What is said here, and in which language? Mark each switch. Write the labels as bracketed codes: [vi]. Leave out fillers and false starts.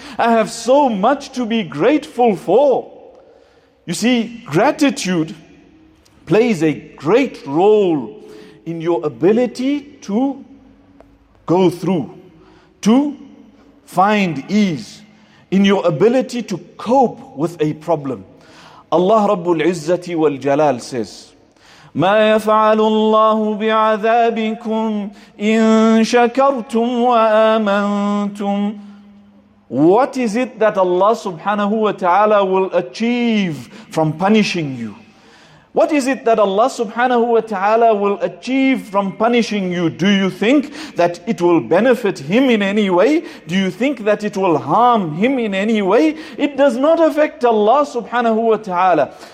[en] I have so much to be grateful for. You see, gratitude plays a great role in your ability to go through, to find ease in your ability to cope with a problem. [ar] Allah Rabbul Izzati wal Jalal says, مَا يَفْعَلُ اللَّهُ بِعَذَابِكُمْ إِن شَكَرْتُمْ وَآمَنْتُمْ. [en] What is it that Allah subhanahu wa ta'ala will achieve from punishing you? What is it that Allah subhanahu wa ta'ala will achieve from punishing you? Do you think that it will benefit Him in any way? Do you think that it will harm Him in any way? It does not affect Allah subhanahu wa ta'ala.